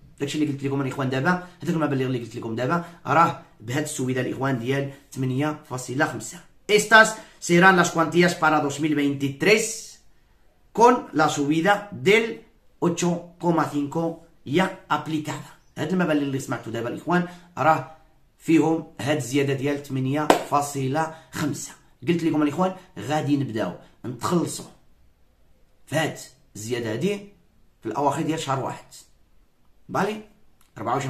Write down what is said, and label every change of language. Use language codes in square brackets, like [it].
[ar] داك الشيء اللي قلت لكم انا اخوان دابا هذاك المبلغ اللي قلت لكم دابا راه بهذه السويده الاخوان ديال 8.5. [es] Estas serán las cuantías para 2023 con la subida del 8.5 ya aplicada. [ar] هذا المبلغ اللي سمعتوا دابا الاخوان راه فيهم هذه الزياده ديال 8.5. قلت لكم الاخوان غادي نبداو نتخلصوا فهاد الزياده هادي في الاواخر ديال شهر واحد بالي 24-25